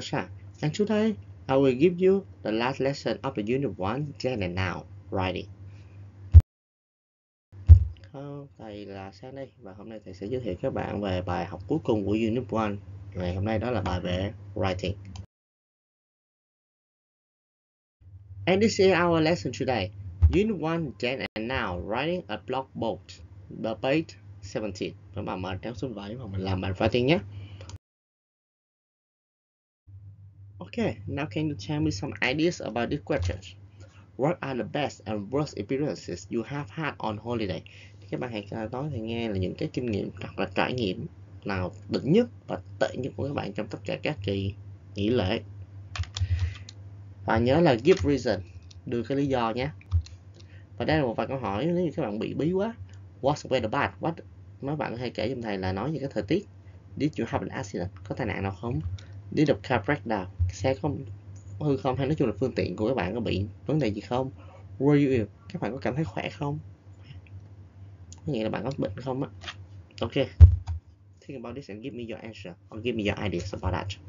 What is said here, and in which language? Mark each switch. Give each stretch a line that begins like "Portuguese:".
English: Shang, and today I will give you the last lesson of the Unit 1, Then and Now, Writing.
Vietnamese: Hello, thầy là Shang đây, và hôm nay thầy sẽ giới thiệu các bạn về bài học cuối cùng của Unit 1. Ngày hôm nay đó là bài về Writing.
English: And this is our lesson today, Unit 1, Then and Now, Writing a Blog Post, the page 17.
Vietnamese: Các bạn mở trang số 7 và mình làm bài Writing nhé.
English: Okay, now can you tell me some ideas about these questions? What are the best and worst experiences you have had on holiday?
Vietnamese: Các bạn hãy nói thì nghe là những cái kinh nghiệm hoặc là trải nghiệm nào đỉnh nhất và tệ nhất của các bạn trong tất cả các kỳ nghỉ lễ. Và nhớ là
English: give reason,
Vietnamese: đưa cái lý do nhé. Và đây là một vài câu hỏi nếu như các bạn bị bí quá.
English: What's weather bad? What?
Vietnamese: Mấy bạn hay kể cho thầy là nói về cái thời tiết.
English: Did you have an accident?
Vietnamese: Có tai nạn nào không?
English: Did the car break down?
Vietnamese: Xe có hư không, hay nói chung là phương tiện của các bạn có bị vấn đề gì không?
English: Were you ill?
Vietnamese: Các bạn có cảm thấy khỏe không? Có nghĩa là bạn có bệnh không á? Ok.
English: Think about this and give me your answer or give me your ideas about that.